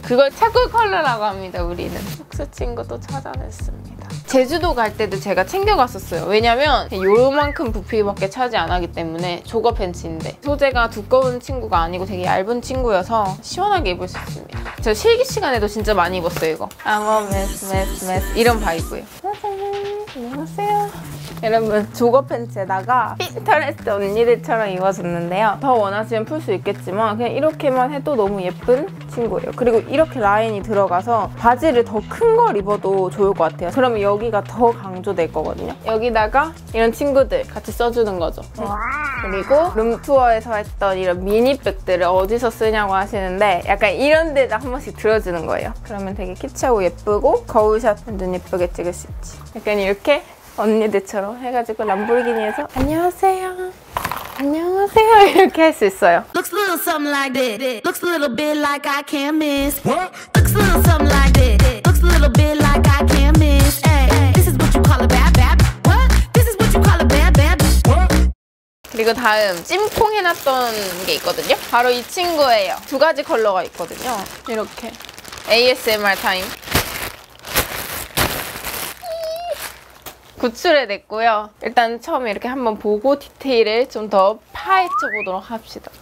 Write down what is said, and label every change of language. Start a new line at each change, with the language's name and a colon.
Korean: 그걸 차콜 컬러라고 합니다, 우리는. 폭스 친구도 찾아냈습니다. 제주도 갈 때도 제가 챙겨갔었어요. 왜냐면 요만큼 부피밖에 차지 안 하기 때문에. 조거 팬츠인데 소재가 두꺼운 친구가 아니고 되게 얇은 친구여서 시원하게 입을 수 있습니다. 저 실기 시간에도 진짜 많이 입었어요, 이거.
English: I'm a mess, mess, mess
Korean: 이런 바이브예요. 안녕하세요. 여러분 조거 팬츠에다가 핀터레스트 언니들처럼 입어줬는데요. 더 원하시면 풀 수 있겠지만 그냥 이렇게만 해도 너무 예쁜 친구예요. 그리고 이렇게 라인이 들어가서 바지를 더 큰 걸 입어도 좋을 것 같아요. 그러면 여기가 더 강조될 거거든요. 여기다가 이런 친구들 같이 써주는 거죠. 그리고 룸투어에서 했던 이런 미니백들을 어디서 쓰냐고 하시는데 약간 이런 데다 한 번씩 들어주는 거예요. 그러면 되게 키치하고 예쁘고 거울샷은 눈 예쁘게 찍을 수 있지. 약간 이렇게 언니들처럼 해가지고 람보르기니에서 안녕하세요 안녕하세요 이렇게 할 수 있어요.
English: Looks a little something like that. Looks a little bit like I can't miss. What? Looks a little something like that. Looks a little bit like I can't miss. Hey, this is what you call a bad bad. What? This is what you call a bad.
Korean: 그리고 다음 찜콩 해놨던 게 있거든요. 바로 이 친구예요. 두 가지 컬러가 있거든요. 이렇게 ASMR 타임. 구출해 냈고요. 일단 처음에 이렇게 한번 보고 디테일을 좀 더 파헤쳐 보도록 합시다.